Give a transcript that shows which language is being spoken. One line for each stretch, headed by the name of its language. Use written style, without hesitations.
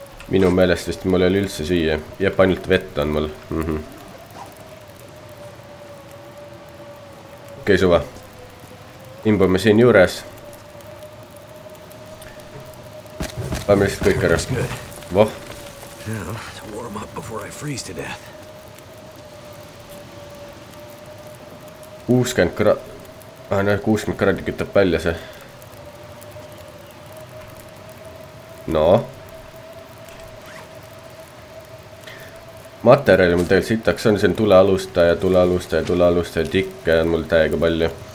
Estonian: Minu meelest vist mul ei ole üldse süüa. Jep, ainult vett on mul. Okei, suva. Imbume siin juures. Vaame lihtsalt kõik ära. Voh.
English: Warm up before I freeze to death.
Estonian: 60 kraad... Ah, 60 kraadi kütab välja see. No. Materjali mul tegelikult sitaks on. See on tulealustaja tikke on mul täiega palju.